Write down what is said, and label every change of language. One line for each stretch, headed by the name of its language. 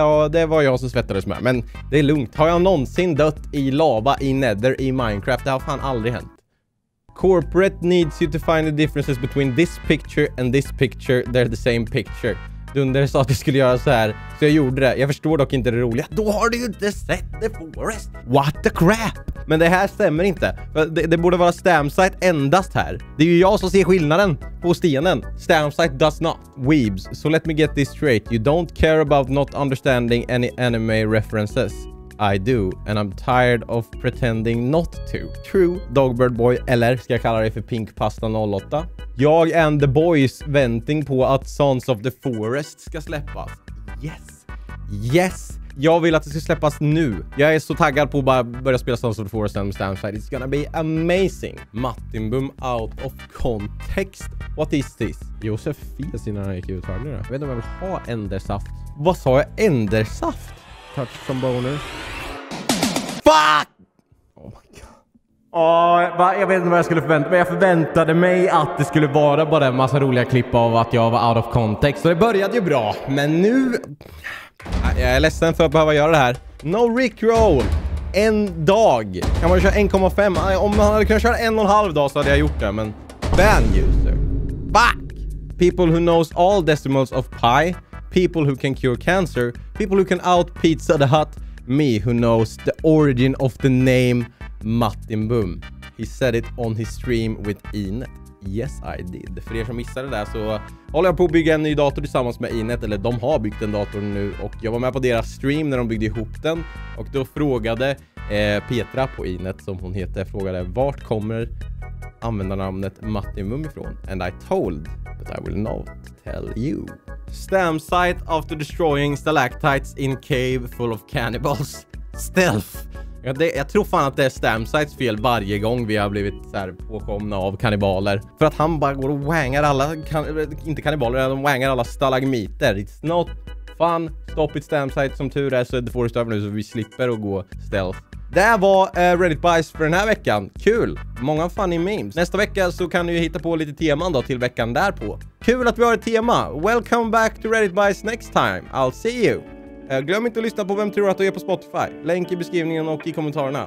Swedish: Det var jag som svettades med. Men det är lugnt. Har jag någonsin dött i lava i Nether i Minecraft? Det har fan aldrig hänt.
English: Corporate needs you to find the differences between this picture and this picture. They're the same picture.
Swedish: Dunder sa att jag skulle göra så här. Så jag gjorde det. Jag förstår dock inte det roliga. Då har du ju inte sett the forest.
English: What the crap?
Swedish: Men det här stämmer inte. Det borde vara stamsite endast här. Det är ju jag som ser skillnaden på stenen.
English: Stamsite does not. Weebs, so let me get this straight. You don't care about not understanding any anime references. I do. And I'm tired of pretending not to. True, Dogbird Boy.
Swedish: Eller ska jag kalla dig för Pinkpasta 08? Jag
English: and the boys
Swedish: väntar på att Sons of the Forest ska släppas. Yes. Yes. Jag vill att det ska släppas nu. Jag är så taggad på att bara börja spela Sons of the Forest med Stamside.
English: It's gonna be amazing. Mattimbum out of context. What is this?
Swedish: Josef Fies innan han gick ut här nu då. Jag vet inte om jag vill ha endersaft. Vad sa jag? Endersaft?
English: Touch some boner. Fuck! Oh my god.
Swedish: Jag vet inte vad jag skulle förvänta mig. Jag förväntade mig att det skulle vara bara en massa roliga klipp av att jag var
English: out of context.
Swedish: Så det började ju bra. Men nu... Jag är ledsen för att behöva göra det här. No Rickroll. En dag. Kan man köra 1,5? Om man hade kunnat köra 1,5 dag så hade jag gjort det.
English: Men ban user. Back. People who knows all decimals of pi. People who can cure cancer. People who can out pizza the hut. Me who knows the origin of the name Mattimbum. He said it on his stream with Inet. Yes, I did.
Swedish: För er som missade det där så håller jag på att bygga en ny dator tillsammans med Inet. Eller de har byggt en dator nu. Och jag var med på deras stream när de byggde ihop den. Och då frågade Petra på Inet, som hon heter, frågade vart kommer användarnamnet Mattimbum ifrån?
English: And I told, but I will not tell you. Stamsite after destroying stalactites in cave full of cannibals. Stealth.
Swedish: Ja, jag tror fan att det är Stamsites fel varje gång vi har blivit så här påkomna av kannibaler. För att han bara går och wangar alla, inte kannibaler, de wangar alla stalagmiter.
English: It's not fun. Stop it, Stamsite.
Swedish: Som tur är så är det Forest över nu, så vi slipper att gå stealth. Det var Reddit Bites för den här veckan. Kul. Många funny memes. Nästa vecka så kan du hitta på lite teman då till veckan därpå. Kul att vi har ett tema.
English: Welcome back to Reddit Bites next time. I'll see you.
Swedish: Glöm inte att lyssna på Vem tror att du är på Spotify. Länk i beskrivningen och i kommentarerna.